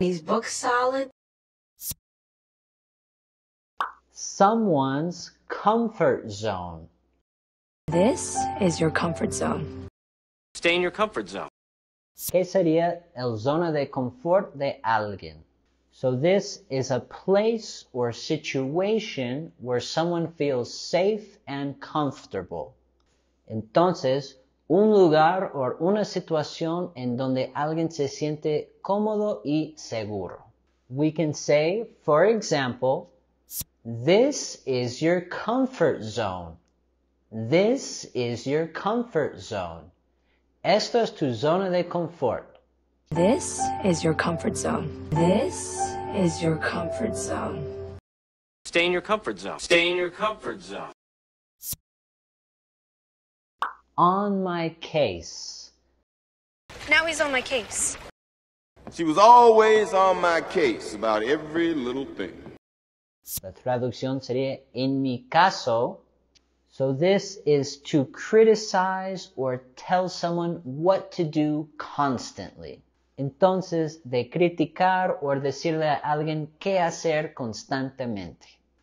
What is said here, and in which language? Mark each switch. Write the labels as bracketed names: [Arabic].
[English] He's booked solid. Someone's comfort zone. This is your comfort zone. Stay in your comfort zone. [Spanish] ¿Qué sería el zona de confort de alguien? [English] So this is a place or situation where someone feels safe and comfortable. [Spanish] Entonces, un lugar o una situación en donde alguien se siente cómodo y seguro. [English] We can say, for example, this is your comfort zone. This is your comfort zone. [Spanish] Esto es tu zona de confort. [English] This is your comfort zone. This is your comfort zone. Stay in your comfort zone. Stay in your comfort zone. On my case. Now he's on my case. She was always on my case about every little thing. [Spanish] La traducción sería, en mi caso. [English] So this is to criticize or tell someone what to do constantly. [Spanish] Entonces, de criticar o decirle a alguien qué hacer constantemente.